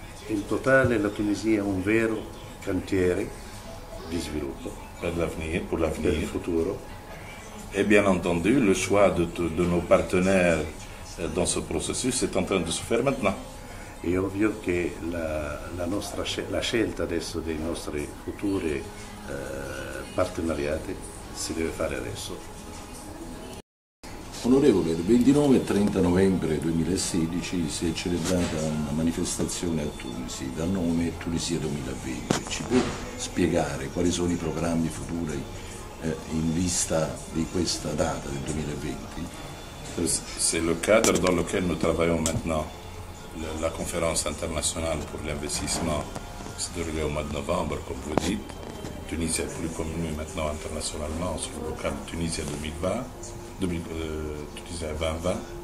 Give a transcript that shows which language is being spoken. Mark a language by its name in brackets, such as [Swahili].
[Italian] In totale la Tunisia è un vero cantiere di sviluppo per l'avenir, [French] pour l'avenir, [Italian] per il futuro. [French] Et bien entendu, le choix de nos partenaires dans ce processus est en train de se faire maintenant. [Italian] È ovvio che la scelta adesso dei nostri futuri partenariati si deve fare adesso. Onorevole, il 29 e 30 novembre 2016 si è celebrata una manifestazione a Tunisi dal nome Tunisia 2020. Ci può spiegare quali sono i programmi futuri in vista di questa data del 2020? [French] C'est le cadre dans lequel nous travaillons maintenant. La conférence internationale pour l'investissement se déroule au mois de novembre, comme vous dites. Tunisie est plus connue maintenant internationalement sur le cadre Tunisia 2020. Tunisia 2020.